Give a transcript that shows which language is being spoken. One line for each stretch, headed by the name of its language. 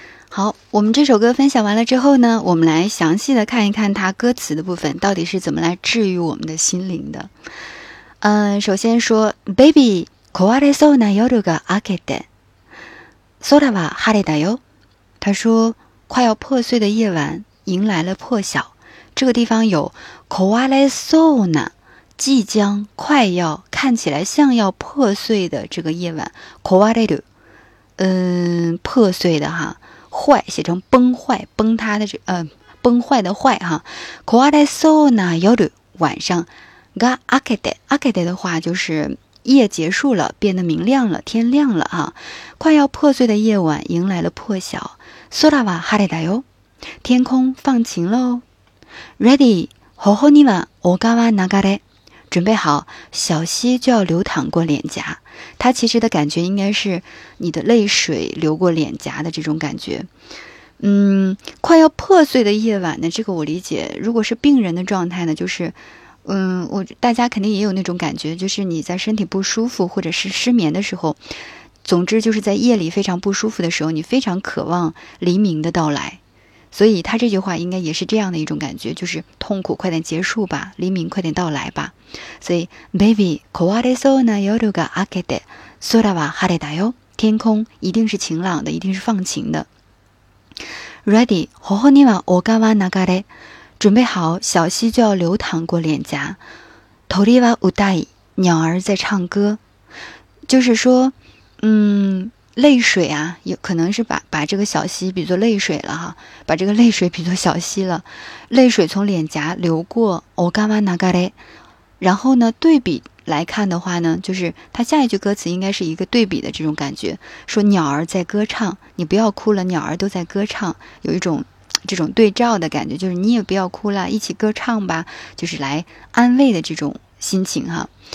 Chinese: 好，我们这首歌分享完了之后呢，我们来详细的看一看它歌词的部分到底是怎么来治愈我们的心灵的。首先说
Japanese: Baby 壊れそうな夜が明けて空は晴れだよ。
Chinese: 他说快要破碎的夜晚迎来了破晓，这个地方有 壊れそうな，即将快要看起来像要破碎的这个夜晚 壊れる，破碎的哈，坏写成崩坏，崩塌的这崩坏的坏哈。壊れそうな夜，晚上が明けて，明けて的话就是夜结束了，变得明亮了，天亮了哈。快要破碎的夜晚迎来了破晓。空は晴れだよ，天空放晴喽。 Ready,
Japanese: 頬には小川流れ，
Chinese: 准备好，小溪就要流淌过脸颊。它其实的感觉应该是你的泪水流过脸颊的这种感觉。快要破碎的夜晚呢，这个我理解，如果是病人的状态呢，就是大家肯定也有那种感觉，就是你在身体不舒服或者是失眠的时候，总之就是在夜里非常不舒服的时候，你非常渴望黎明的到来。所以他这句话应该也是这样的一种感觉，就是痛苦快点结束吧，黎明快点到来吧。所以 Baby
Japanese: 壊れそうな夜が明けて空は晴れだよ，
Chinese: 天空一定是晴朗的，一定是放晴的。 Ready
Japanese: 頬には小川流れ，
Chinese: 准备好，小溪就要流淌过脸颊。鳥は歌い，鸟儿在唱歌，就是说泪水啊，有可能是把这个小溪比作泪水了哈，把这个泪水比作小溪了，泪水从脸颊流过，おがわながれ。然后呢，对比来看的话呢，就是它下一句歌词应该是一个对比的这种感觉，说鸟儿在歌唱，你不要哭了，鸟儿都在歌唱，有一种这种对照的感觉，就是你也不要哭了，一起歌唱吧，就是来安慰的这种心情哈。